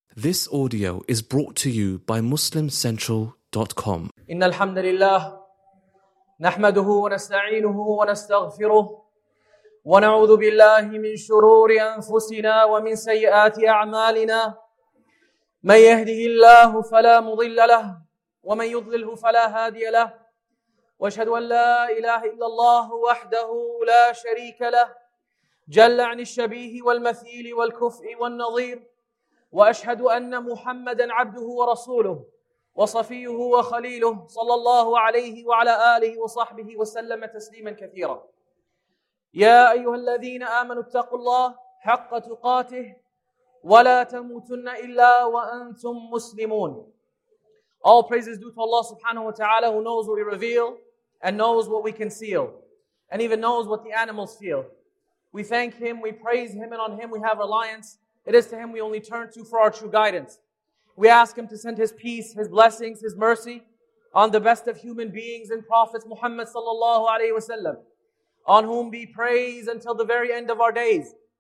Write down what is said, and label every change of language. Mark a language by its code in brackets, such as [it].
[en] This audio is brought to you by MuslimCentral.com. [ar] إن الحمد لله نحمده ونستعينه ونستغفره ونعوذ بالله من شرور أنفسنا ومن سيئات أعمالنا. من يهده الله فلا مضل له ومن يضلله فلا هادي له. وأشهد أن لا إله إلا الله وحده لا شريك له جل عن الشبيه والمثيل والكفء والنظير. وأشهد أن محمدًا عبده ورسوله وصفيه وخليله صلى الله عليه وعلى آله وصحبه وسلم تسليمًا كثيرًا. يا أيها الذين آمنوا اتقوا الله حق تقاته ولا تموتن إلا وأنتم مسلمون. [en] All praises due to Allah subhanahu wa ta'ala, who knows what we reveal and knows what we conceal and even knows what the animals feel. We thank Him, we praise Him, and on Him we have reliance. It is to Him we only turn to for our true guidance. We ask Him to send His peace, His blessings, His mercy on the best of human beings and prophets Muhammad sallallahu alayhi wa sallam, on whom be praise until the very end of our days.